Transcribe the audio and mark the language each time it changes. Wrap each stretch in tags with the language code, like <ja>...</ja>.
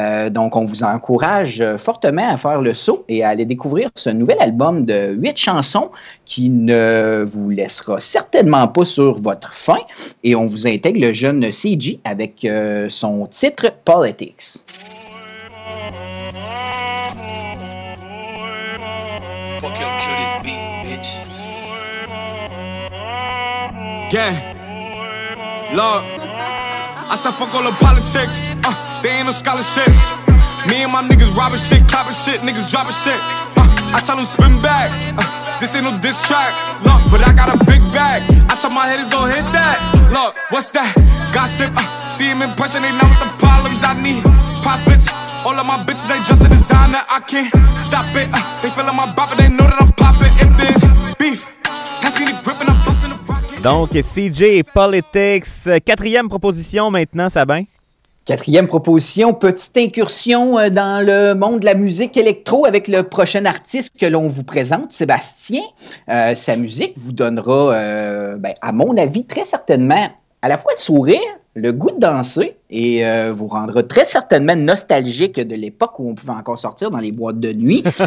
<fr>Donc, on vous encourage fortement à faire le saut et à aller découvrir ce nouvel album de 8 chansons qui ne vous laissera certainement pas sur votre faim. Et on vous intègre le jeune CG avec son titre Politics.</fr> <en>Fuck your cutest beat, bitch. Gang. Look. I said fuck all the politics. They ain't no scholarships. Me and my niggas robbing shit, clapping shit, niggas dropping shit. I tell them spin back. This ain't no diss track. Look, but I got a big bag. I tell my haters gon' hit that. Look, what's that? Gossip, see him in person, they not with the problems I need. Profits, all of my bitches, they just a designer. I can't stop it, they feelin' my bop, but they know that I'm poppin'. If there's beef, pass me the grip and I'm bustin' the rocket.</en> <fr>Donc, CJ Politics, quatrième proposition maintenant, Sabin. Quatrième proposition, petite incursion dans le monde de la musique électro avec le prochain artiste que l'on vous présente, Sébastien. Sa musique vous donnera, à mon avis, très certainement à la fois le sourire, le goût de danser et vous rendra très certainement nostalgique de l'époque où on pouvait encore sortir dans les boîtes de nuit.</fr>